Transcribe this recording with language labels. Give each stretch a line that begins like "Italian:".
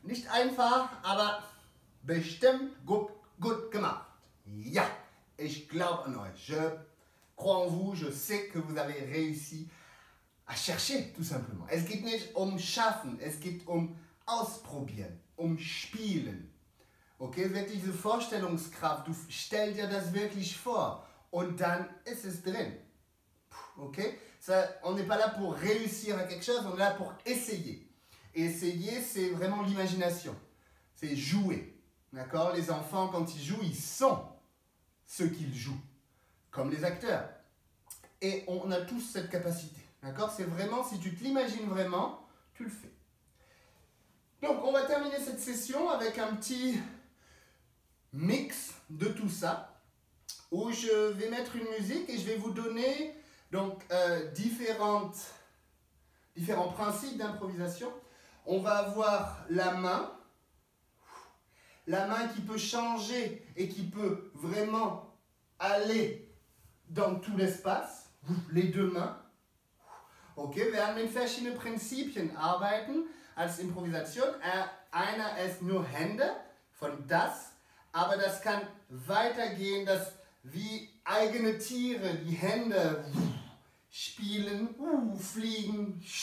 German: einfach, aber bestimmt gut gemacht. Ja, ich glaube an euch.
French: Je crois en vous, je sais que vous avez réussi à chercher, tout simplement.
German: Es geht nicht um schaffen, es geht um ausprobieren, um spielen. Okay, wirklich diese Vorstellungskraft, du stell dir das wirklich vor und dann ist es drin.
French: Okay, ça, on n'est pas là pour réussir à quelque chose, on est là pour essayer. Et essayer, c'est vraiment l'imagination, c'est jouer. D'accord, les enfants, quand ils jouent, ils sont ce qu'ils jouent, comme les acteurs. Et on a tous cette capacité. D'accord, c'est vraiment, si tu te l'imagines vraiment, tu le fais. Donc, on va terminer cette session avec un petit mix de tout ça, où je vais mettre une musique et je vais vous donner donc, différents principes d'improvisation. On va avoir la main qui peut changer et qui peut vraiment aller dans tout l'espace, les deux mains.
German: Ok, wir haben mit verschiedenen Prinzipien arbeiten als Improvisation. Einer ist nur Hände von das, aber das kann weitergehen, dass wie eigene Tiere die Hände spielen, fliegen.